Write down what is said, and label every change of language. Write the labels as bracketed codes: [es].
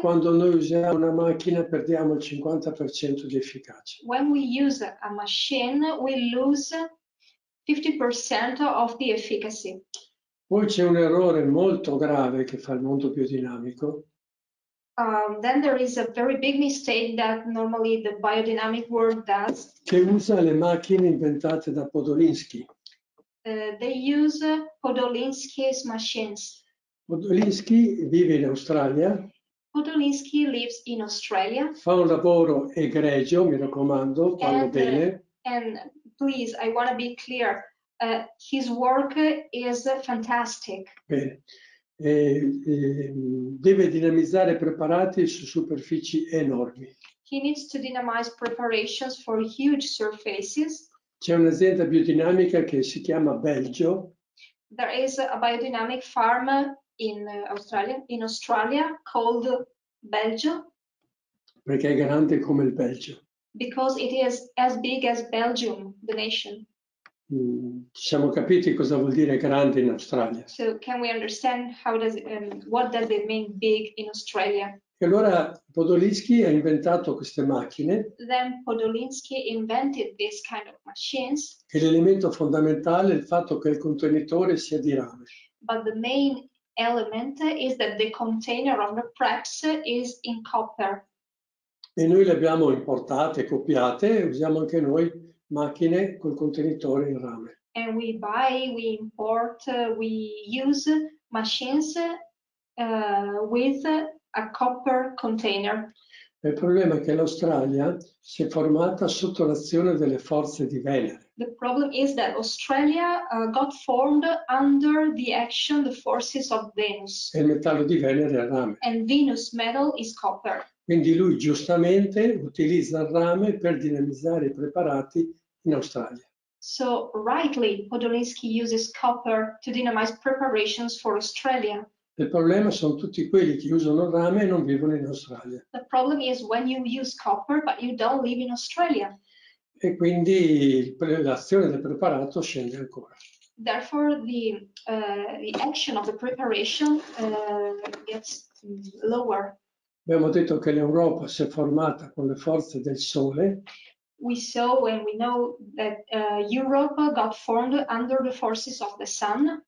[it] Quando noi usiamo una macchina perdiamo il 50% di efficacia. [en] When we use a machine we lose 50% of the efficacy. [it] Poi c'è un errore molto grave che fa il mondo biodinamico. [en] Then there is a very big mistake that normally the biodynamic world does. [it] Che usa le macchine inventate da Podolinski. [en] They use Podolinski's machines. [it] Podolinski vive in Australia. [en] Podolinski lives in Australia. [it] Fa un lavoro egregio, mi raccomando, parlo bene. [en] And please, I want to be clear. His work is fantastic. [it] Bene. Deve dinamizzare preparati su superfici enormi. [en] He needs to dynamize preparations for huge surfaces. [it] C'è un'azienda biodinamica che si chiama Belgio. [en] There is a biodynamic farm in Australia called Belgio. [it] Perché è grande come il Belgio. [en] Because it is as big as Belgium, the nation. [it] Ci siamo capiti cosa vuol dire grande in Australia. [en] So can we understand how does what does it mean big in Australia? [it] E allora Podolinski ha inventato queste macchine. [en] Then Podolinski invented this kind of machines. [it] E l'elemento fondamentale è il fatto che il contenitore sia di rame. [en] But the main element is that the container of the preps is in copper. [it] E noi le abbiamo importate, copiate, e usiamo anche noi macchine col contenitore in rame. [en] And we buy, we import, we use machines with a copper container. [it] Il problema è che l'Australia si è formata sotto l'azione delle forze di Venere. [en] The problem is that Australia got formed under the action, the forces of Venus. [it] E il metallo di Venere è rame. [en] And Venus metal is copper. [it] Quindi lui giustamente utilizza il rame per dinamizzare i preparati in Australia. [en] So rightly Podolinski uses copper to dynamize preparations for Australia. [it] Il problema sono tutti quelli che usano rame e non vivono in Australia. [en] The problem is when you use copper but you don't live in Australia. [it] E quindi l'azione del preparato scende ancora. [en] Therefore the action of the preparation gets lower. [it] Abbiamo detto che l'Europa si è formata con le forze del sole. [en] We saw and we know that Europe got formed under the forces of the sun.